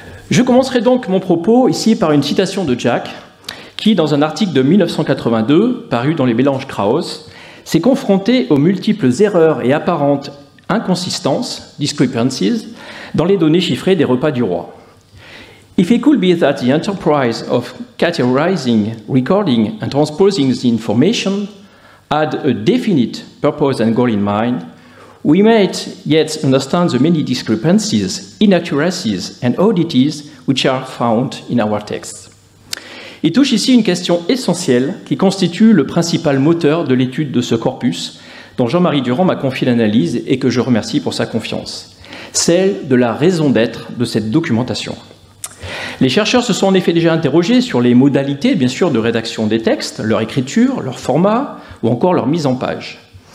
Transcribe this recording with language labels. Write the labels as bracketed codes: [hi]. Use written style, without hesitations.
[fr] Je commencerai donc mon propos ici par une citation de Jack, qui, dans un article de 1982, paru dans les Mélanges Krauss, s'est confronté aux multiples erreurs et apparentes inconsistances, discrepancies, dans les données chiffrées des repas du roi. [en] If it could be that the enterprise of categorizing, recording, and transposing the information had a definite purpose and goal in mind, we might yet understand the many discrepancies, inaccuracies, and oddities which are found in our texts. [fr] Il touche ici une question essentielle qui constitue le principal moteur de l'étude de ce corpus, dont Jean-Marie Durand m'a confié l'analyse et que je remercie pour sa confiance, celle de la raison d'être de cette documentation. Les chercheurs se sont en effet déjà interrogés sur les modalités, bien sûr, de rédaction des textes, leur écriture, leur format ou encore leur mise en page.